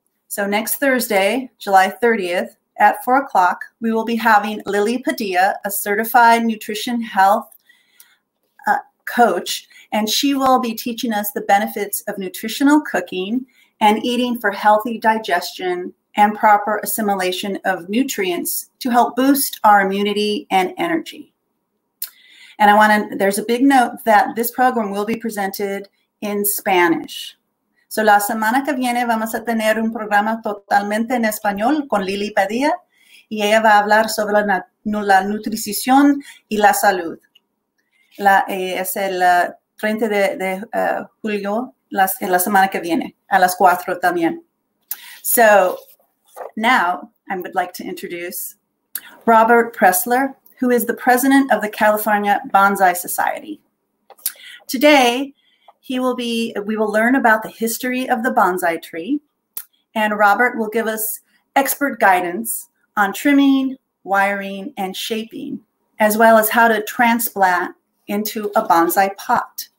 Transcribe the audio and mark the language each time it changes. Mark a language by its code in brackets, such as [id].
[en] So next Thursday, July 30th at 4 o'clock, we will be having Lily Padilla, a certified nutrition health coach, and she will be teaching us the benefits of nutritional cooking and eating for healthy digestion and proper assimilation of nutrients to help boost our immunity and energy. And I want to, there's a big note that this program will be presented in Spanish. [es] So la semana que viene vamos a tener un programa totalmente en español con Lily Padilla y ella va a hablar sobre la nutrición y la salud. Es el 30 de julio, la semana que viene, a las 4 también. [en] So now I would like to introduce Robert Pressler, who is the president of the California Bonsai Society. Today, we will learn about the history of the bonsai tree, and Robert will give us expert guidance on trimming, wiring, and shaping, as well as how to transplant into a bonsai pot.